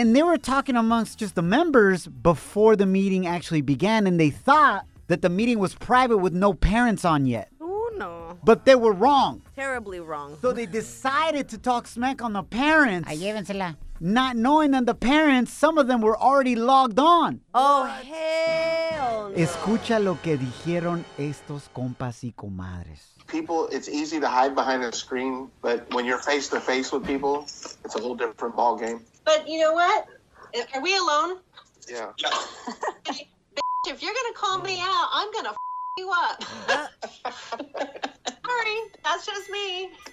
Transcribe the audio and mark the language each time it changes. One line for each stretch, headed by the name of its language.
English: And they were talking amongst just the members before the meeting actually began, and they thought that the meeting was private with no parents on yet. But they were wrong. Terribly wrong. So they decided to talk smack on the parents.
Spanish: Ay, llévensela.
English: Not knowing that the parents, some of them were already logged on. Oh, what? Hell no.
Spanish: Escucha lo que dijeron estos compas y comadres.
English: People, it's easy to hide behind a screen, but when you're face to face with people, it's a little different ball game. But you know what? Are we alone? Yeah. Bitch, if you're going to call me out, I'm going to you up. Sorry, that's just me.